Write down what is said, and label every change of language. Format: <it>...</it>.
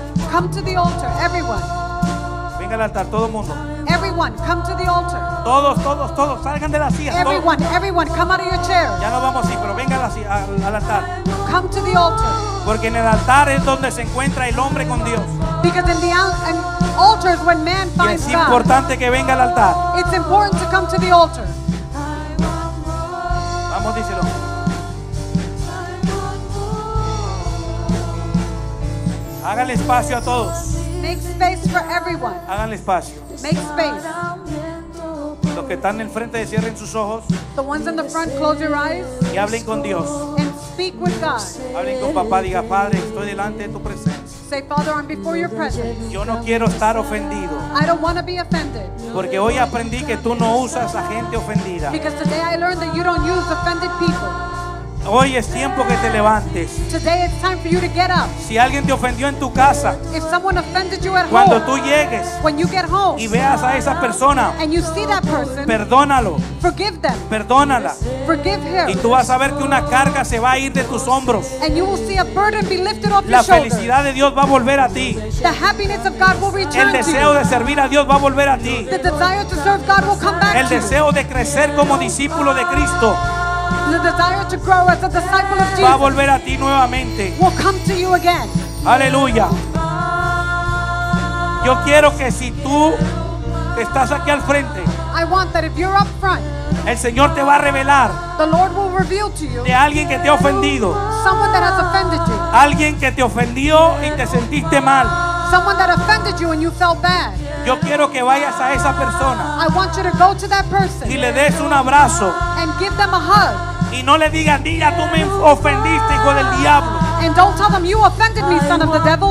<en>Come to the altar, everyone.</en> <es>Venga al altar, todo mundo.</es> <en>Everyone, come to the altar.</en> <es>Todos, todos, todos, salgan de la silla.</es> <en>Everyone,</en> <es>todos.</es> <en>Everyone, come out of your chair.</en> <es>Ya no vamos a ir, pero venga al altar.</es> <en>Come to the altar.</en> <es>Porque en el altar es donde se encuentra el hombre con Dios.</es> <en>Because in the altar is when man finds God.</en> <es>Y es importante</es> <en>God.</en> <es>Que venga al altar.</es> <en>It's important to come to the altar.</en> <es>Vamos, díselo. Hágale espacio a todos.</es> <en>Make space for everyone.</en> <es>Hagan espacio.</es> <en>Make space.</en> <es>Los que están en el frente, cierren sus ojos.</es> <en>The ones in the front, close your eyes.</en> <es>Y hablen con Dios.</es> <en>And speak with God.</en> <es>Hablen con papá, diga, Padre, estoy delante de tu presencia.</es> <en>Say, Father, I'm before your presence.</en> <es>Yo no quiero estar ofendido.</es> <en>I don't want to be offended.</en> <es>Porque hoy aprendí que tú no usas a gente ofendida.</es> <en>Because today I learned that you don't use offended people.</en> <es>Hoy es tiempo que te levantes.</es> <en>Today it's time for you to get up.</en> <es>Si alguien te ofendió en tu casa,</es> <en>if someone offended you at home,</en> <es>cuando tú llegues,</es> <en>when you get home,</en> <es>y veas a esa persona,</es> <en>and you see that person,</en> <es>perdónalo.</es> <en>Forgive them.</en> <es>Perdónala.</es> <en>Forgive her.</en> <es>Y tú vas a ver que una carga se va a ir de tus hombros.</es> <en>And you will see a burden be lifted off your</en> <es>shoulders. La felicidad de Dios va a volver a ti.</es> <en>The happiness of God will return to you.</en> <es>El deseo de servir a Dios va a volver a ti.</es> <en>The desire to serve God will come back to you.</en> <es>El deseo de crecer como discípulo de Cristo.</es> <en>The desire to grow as a disciple of Jesus</en> <es>va a volver a ti nuevamente.</es> <en>Will come to you again.</en> <es>Aleluya. Yo quiero que si tú estás aquí al frente,</es> <en>I want that if you're up front,</en> <es>el Señor te va a revelar,</es> <en>the Lord will reveal to you,</en> <es>de alguien que te ha ofendido,</es> <en>someone that has offended you,</en> <es>alguien que te ofendió y te sentiste mal,</es> <en>someone that offended you and you felt bad.</en> <es>Yo quiero que vayas a esa persona,</es> <en>I want you to go to that person,</en> <es>y le des un abrazo,</es> <en>and give them a hug,</en> <es>y no le digas, mira, tú me ofendiste, hijo del diablo.</es> <en>And don't tell them, you offended me, son of the devil.</en>